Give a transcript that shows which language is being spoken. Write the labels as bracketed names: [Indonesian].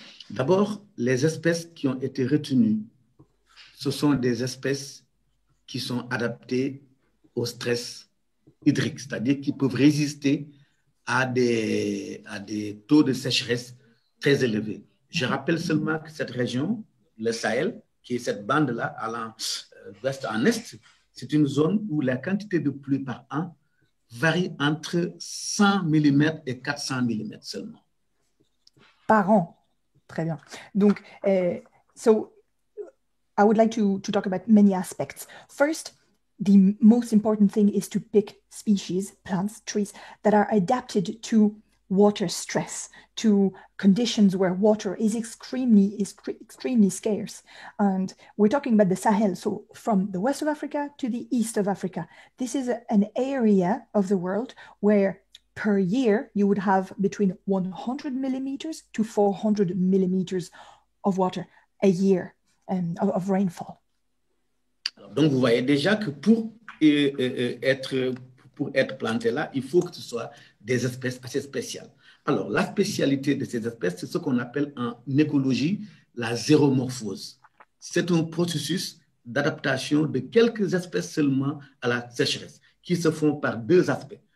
[French] D'abord, les espèces qui ont été retenues, ce sont des espèces qui sont adaptées au stress hydrique, c'est-à-dire qui peuvent résister à des taux de sécheresse très élevés. Je rappelle seulement que cette région, le Sahel, qui est cette bande-là allant d'ouest en est, c'est une zone où la quantité de pluie par an varie entre 100 mm et 400 mm seulement. Par an. Très bien. [English] Donc, so I would like to talk about many aspects. First, the most important thing is to pick species, plants, trees that are adapted to water stress, to conditions where water is extremely scarce. And we're talking about the Sahel, so from the west of Africa to the east of Africa. This is an area of the world where per year, you would have between 100 millimeters to 400 millimeters of water a year of rainfall. [French] Donc, vous voyez déjà que pour être planté là, il faut que ce soit des espèces assez spéciales. Alors, la spécialité de ces espèces, c'est ce qu'on appelle en écologie la zéromorphose. C'est un processus d'adaptation de quelques espèces seulement à la sécheresse, qui se font par deux aspects.